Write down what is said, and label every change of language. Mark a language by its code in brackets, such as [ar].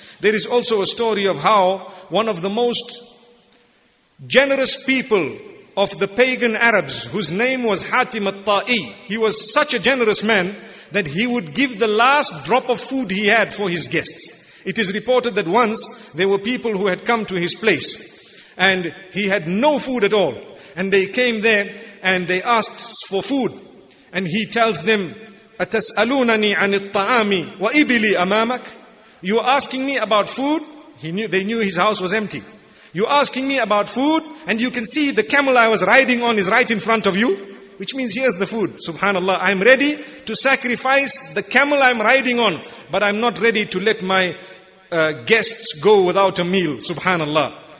[en] There is also a story of how one of the most generous people of the pagan Arabs, whose name was Hatim al-Ta'i, he was such a generous man that he would give the last drop of food he had for his guests. It is reported that once there were people who had come to his place and he had no food at all. And they came there and they asked for food. And he tells them, [ar] أَتَسْأَلُونَنِي عَنِ الطَّعَامِ وَإِبِلِي أَمَامَكَ. [en] You are asking me about food? They knew his house was empty. You are asking me about food and you can see the camel I was riding on is right in front of you. Which means here's the food. Subhanallah, I'm ready to sacrifice the camel I'm riding on, but I'm not ready to let my guests go without a meal. Subhanallah.